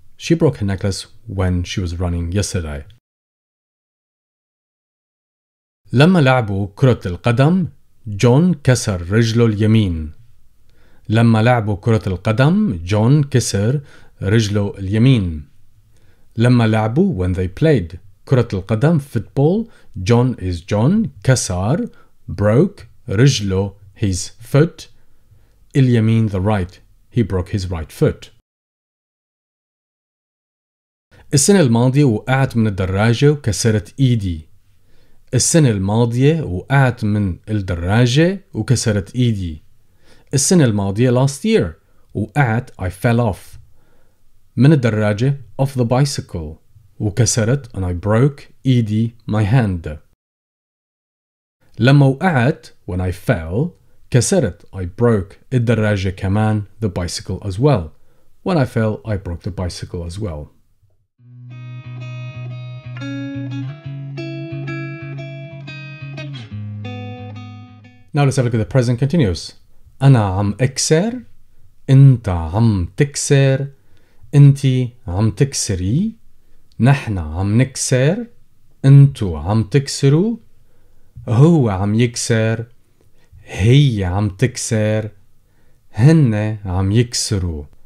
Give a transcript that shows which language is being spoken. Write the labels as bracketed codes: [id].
[en] She broke her necklace when she was running yesterday. [ar] لما لعبوا كرة القدم, جون كسر رجله اليمين. لما لعبوا كرة القدم, جون كسر رجله اليمين. لما لعبوا, [en] when they played, [ar] كرة القدم, [en] football, John is John, [ar] كسر, [en] broke, [ar] رجله, [en] his foot, [ar] اليمين, [en] the right, he broke his right foot. [ar] السنة الماضية وقعت من الدراجة وكسرت إيدي. السنة الماضية وقعت من الدراجة وكسرت إيدي. السنة الماضية, [en] last year, [ar] وقعت, [en] I fell off, [ar] من الدراجة, [en] off the bicycle, [ar] وكسرت, [en] and I broke, [ar] إيدي, [en] my hand. [ar] لما وقعت, [en] when I fell, [ar] كسرت, [en] I broke, [ar] الدراجة كمان, [en] the bicycle as well. When I fell, I broke the bicycle as well. Now let's have a look at the present continuous. [ar] أنا عم أكسر, أنت عم تكسر, أنت عم تكسري, نحن عم نكسر, أنتو عم تكسرو, هو عم يكسر, هي عم تكسر, هن عم يكسرو.